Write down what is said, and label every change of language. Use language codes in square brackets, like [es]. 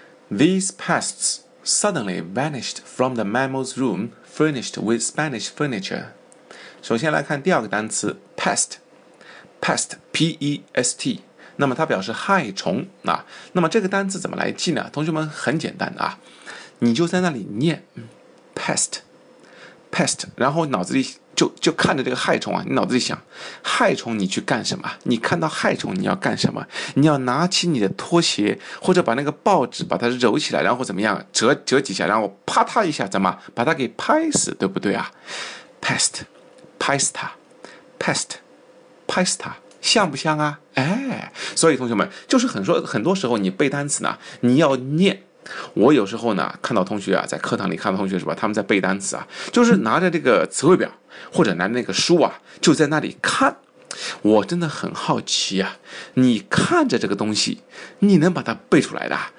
[en] These pests suddenly vanished from the mammal's room furnished with Spanish furniture. [zh] 首先来看第二个单词 pest. [en] Pest, P-E-S-T. [zh] 那么它表示害虫、啊、那么这个单词怎么来记呢？同学们很简单啊，你就在那里念 pest, pest, 然后脑子里就看着这个害虫啊，你脑子里想，害虫你去干什么？你看到害虫你要干什么？你要拿起你的拖鞋，或者把那个报纸把它揉起来，然后怎么样，折几下，然后啪嗒一下，怎么把它给拍死，对不对啊？ [en] Pest, pasta, pest, pasta, [zh] 像不像啊？哎，所以同学们，就是很多时候你背单词呢，你要念。我有时候呢，看到同学啊，在课堂里看到同学是吧，他们在背单词啊，就是拿着这个词汇表或者拿着那个书啊，就在那里看。我真的很好奇啊，你看着这个东西，你能把它背出来的？